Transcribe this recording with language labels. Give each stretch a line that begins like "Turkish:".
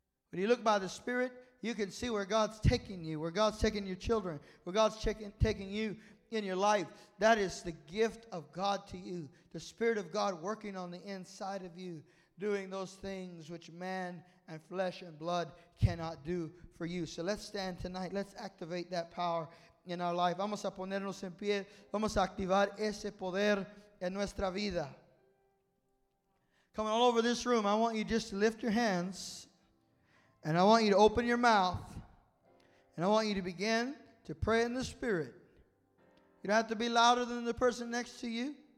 English: When you look by the Spirit, you can see where God's taking you, where God's taking your children, where God's taking you in your life. That is the gift of God to you. The Spirit of God working on the inside of you, doing those things which man and flesh and blood cannot do for you. So let's stand tonight. Let's activate that power in our life.
Spanish: Vamos a ponernos en pie. Vamos a activar ese poder en nuestra vida.
English: Coming all over this room, I want you just to lift your hands and I want you to open your mouth and I want you to begin to pray in the Spirit. You don't have to be louder than the person next to you.